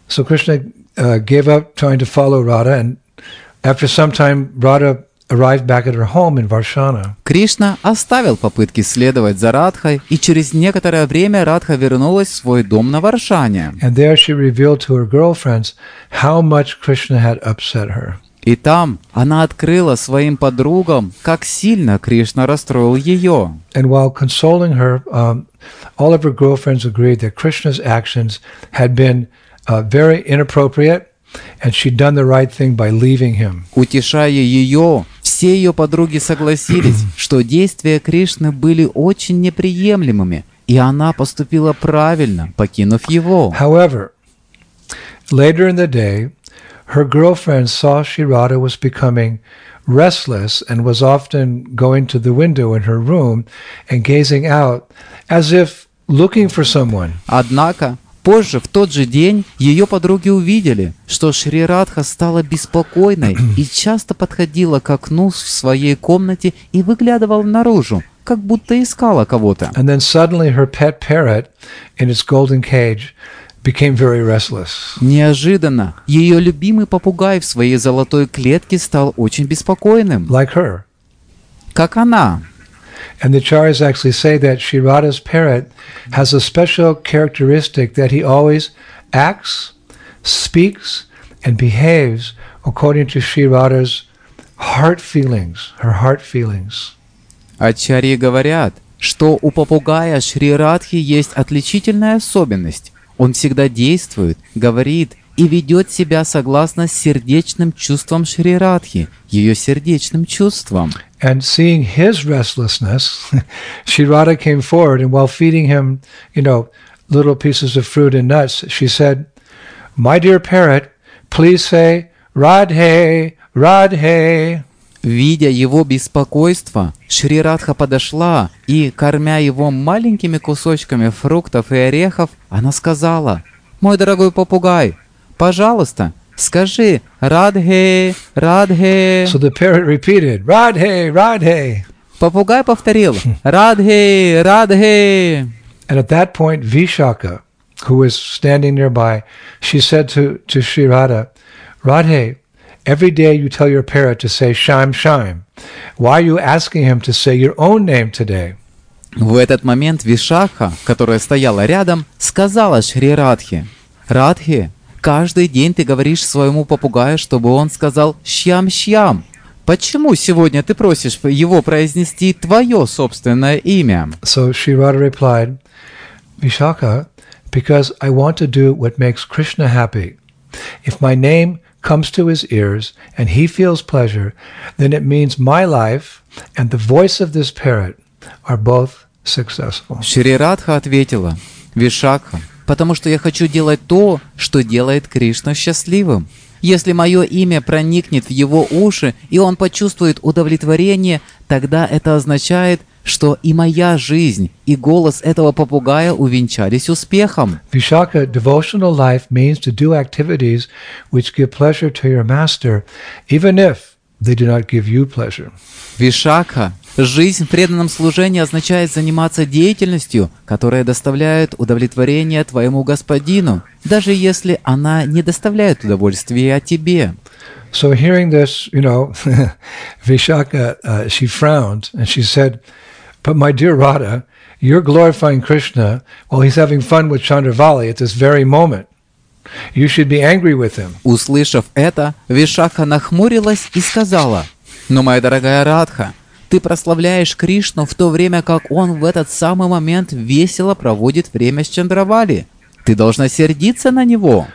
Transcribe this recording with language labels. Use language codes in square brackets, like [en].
[en] So Krishna gave up trying to follow Radha, and after some time Radha arrived back at her home in Varshana. [ru] Кришна оставил попытки следовать за Радхой, и через некоторое время Радха вернулась в свой дом на Варшане. [en] And there she revealed to her girlfriends how much Krishna had upset her. [ru] И там она открыла своим подругам, как сильно Кришна расстроил ее. [en] And while consoling her, all of her girlfriends agreed that Krishna's actions had been very inappropriate, and she'd done the right thing by leaving him. [ru] Утешая ее, все ее подруги согласились, что действия Кришны были очень неприемлемыми, и она поступила правильно, покинув его. [en] However, later in the day, her girlfriend saw Shri Radha was becoming restless and was often going to the window in her room and gazing out as if looking for someone. [ru] Однако, позже, в тот же день, ее подруги увидели, что Шри Радха стала беспокойной и часто подходила к окну в своей комнате и выглядывала наружу, как будто искала кого-то. [en] And then suddenly her pet parrot in its golden cage became very restless. [ru] Неожиданно ее любимый попугай в своей золотой клетке стал очень беспокойным. [en] Like her. [ru] Как она. [en] And the acharyas actually say that Shri Radha's parrot has a special characteristic that he always acts, speaks, and behaves according to Shri Radha's heart feelings, her heart feelings. [ru] Ачарьи говорят, что у попугая Шри Радхи есть отличительная особенность. Он всегда действует, говорит и ведет себя согласно сердечным чувствам Шри Радхи, ее сердечным чувствам. [en] And seeing his restlessness, Shri Radha came forward and while feeding him, you know, little pieces of fruit and nuts, she said, "My dear parrot, please say Radhe, Radhe." [ru] Видя его беспокойство, Шри Радха подошла и, кормя его маленькими кусочками фруктов и орехов, она сказала, «Мой дорогой попугай, пожалуйста, скажи Радхе, Радхе». [en] So the parrot repeated, Радхе, Радхе. [ru] Попугай повторил, Радхе, Радхе. [en] And at that point, Вишакха, who was standing nearby, she said to Шри Радха, Радхе, every day you tell your parrot to say Shyam Shyam. Why are you asking him to say your own name today? [ru] В этот момент Вишакха, которая стояла рядом, сказала Шри Радхе, Радхе, каждый день ты говоришь своему попугаю, чтобы он сказал Shyam Shyam. Почему сегодня ты просишь его произнести твое собственное имя? [en] So Shri Radha replied, Vishakha, because I want to do what makes Krishna happy. If my name comes to his ears and he feels pleasure, then it means my life and the voice of this parrot are both successful. [ru] Шри Радха ответила, Вишакха, потому что я хочу делать то, что делает Кришна счастливым. Если мое имя проникнет в его уши и он почувствует удовлетворение, тогда это означает, что и моя жизнь, и голос этого попугая увенчались успехом. [en] Вишакха, devotional life means to do activities which give pleasure to your master, even if they do not give you pleasure. [ru] Вишакха, жизнь в преданном служении означает заниматься деятельностью, которая доставляет удовлетворение твоему господину, даже если она не доставляет удовольствия тебе. [en] So hearing this, you know, Vishakha, she frowned and she said, "But my dear Radha, you're glorifying Krishna while he's having fun with Chandravali at this very moment. You should be angry with him." [ru] Услышав это, Вишакха нахмурилась и сказала: "Но моя дорогая Радха, ты прославляешь Кришну в то время, как он в этот самый момент весело проводит время с Чандравали. Ты должна сердиться на него."